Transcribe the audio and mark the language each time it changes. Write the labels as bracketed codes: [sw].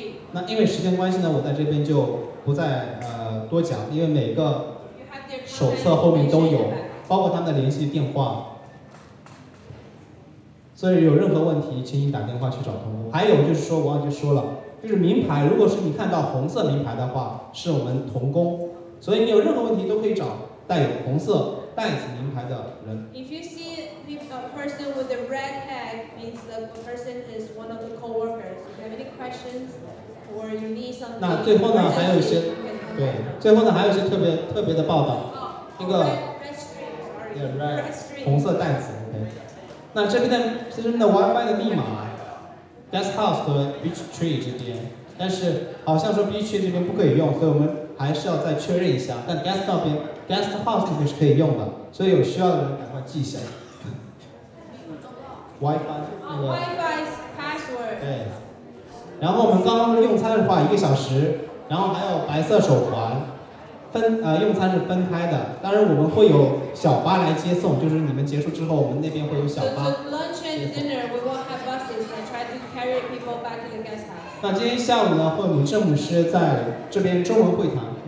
[zh] 那因为时间关系呢，我在这边就不再多讲，因为每个手册后面都有，包括他们的联系电话，所以有任何问题，请你打电话去找同工。还有就是说，我忘记说了，就是名牌，如果是你看到红色名牌的话，是我们同工所以你有任何问题都可以找带有红色袋子名牌的人。 [en] If you see a person with a red tag, means the person is one of the coworkers. If you have any questions or you need something, [zh] 那最后呢，还有一些对，最后呢，还有一些特别的报道。 Oh, 一个 [en] red string, [zh] 红色袋子。Okay. 那这边的其实的 WiFi 的密码 ，Guest House 和 Beach Tree 这边，但是好像说 Beach Tree 这边不可以用，所以我们还是要再确认一下。但 Guest 那边。 Guest House 这边是可以用的，所以有需要的人赶快记一下。 WiFi 那个。 [en] WiFi password。 [zh] 对。然后我们刚刚用餐的话，一个小时，然后还有白色手环，用餐是分开的，当然我们会有小巴来接送，就是你们结束之后，我们那边会有小巴。 [en] So lunch and dinner, we will have buses and try to carry people back to the guest house. [zh] 那今天下午呢，会有郑牧师在这边中文会谈。